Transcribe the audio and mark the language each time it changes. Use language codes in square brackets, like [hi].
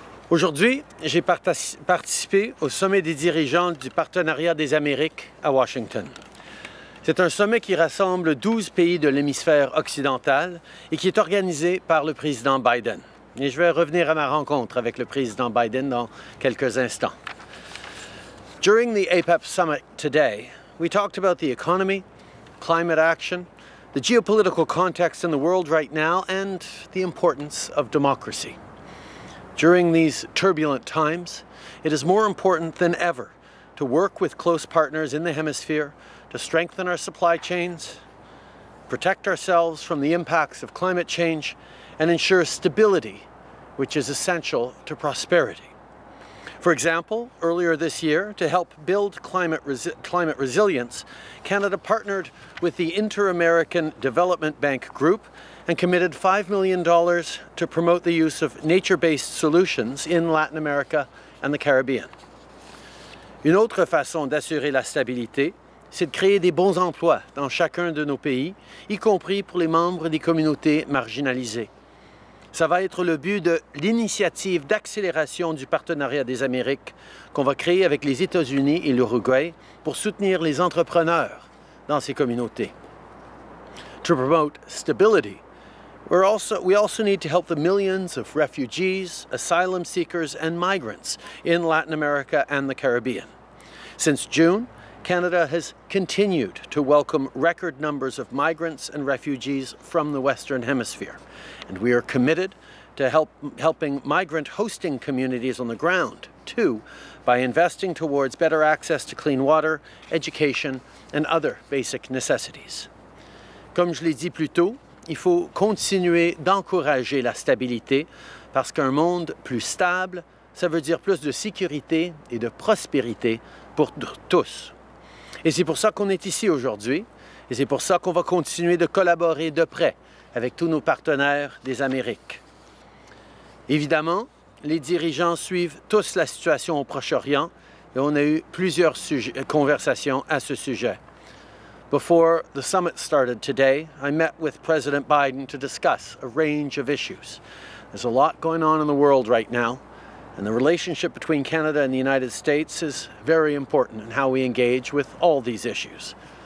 [fr] Aujourd'hui, j'ai participé au sommet des dirigeants du Partenariat des Amériques à Washington. C'est un sommet qui rassemble 12 pays de l'hémisphère occidental et qui est organisé par le président Biden. Et je vais revenir à ma rencontre avec le président Biden dans quelques instants. [en] During the APEP summit today, we talked about the economy, climate action, the geopolitical context in the world right now, and the importance of democracy. During these turbulent times, it is more important than ever to work with close partners in the hemisphere to strengthen our supply chains, protect ourselves from the impacts of climate change, and ensure stability, which is essential to prosperity. For example, earlier this year, to help build climate resilience, Canada partnered with the Inter-American Development Bank Group and committed $5 million to promote the use of nature-based solutions in Latin America and the Caribbean. [fr] Une autre façon d'assurer la stabilité, c'est de créer des bons emplois dans chacun de nos pays, y compris pour les membres des communautés marginalisées. Ça va être le but de l'initiative d'accélération du Partenariat des Amériques qu'on va créer avec les États-Unis et l'Uruguay pour soutenir les entrepreneurs dans ces communautés. [en] To promote stability, we also need to help the millions of refugees, asylum seekers and migrants in Latin America and the Caribbean. Since June, Canada has continued to welcome record numbers of migrants and refugees from the Western Hemisphere, and we are committed to helping migrant hosting communities on the ground, too, by investing towards better access to clean water, education, and other basic necessities. [fr] Comme je l'ai dit plus tôt, il faut continuer d'encourager la stabilité, parce qu'un monde plus stable, ça veut dire plus de sécurité et de prospérité pour tous. Et c'est pour ça qu'on est ici aujourd'hui, et c'est pour ça qu'on va continuer de collaborer de près avec tous nos partenaires des Amériques. Évidemment, les dirigeants suivent tous la situation au Proche-Orient, et on a eu plusieurs conversations à ce sujet. [en] Before the summit started today, I met with President Biden to discuss a range of issues. There's a lot going on in the world right now. And the relationship between Canada and the United States is very important in how we engage with all these issues.